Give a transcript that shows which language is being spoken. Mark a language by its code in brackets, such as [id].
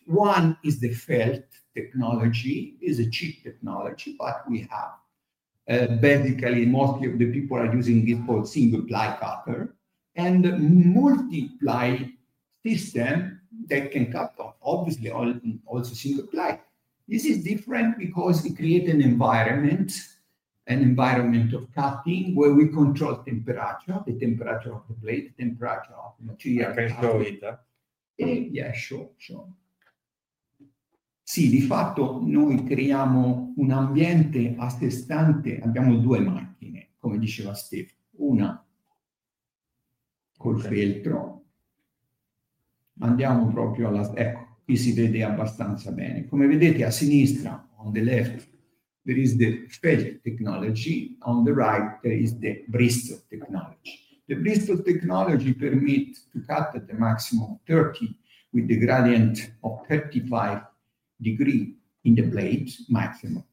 [en] One is the felt technology, is a cheap technology, but we have basically mostly of the people are using this called single ply cutter and multiply system that can cut off, obviously also single ply. This is different because it creates an environment of cutting where we control temperature, the temperature of the blade, the temperature of the material. I can show it. Sure. [it] Sì, di fatto noi creiamo un ambiente a sé stante, abbiamo due macchine, come diceva Steve, una col feltro, andiamo proprio alla, ecco, qui si vede abbastanza bene. Come vedete a sinistra, [en] on the left, there is the Felt technology, on the right there is the Bristol technology. The Bristol technology permit to cut at the maximum 30 with the gradient of 35 degree in the blade maximum.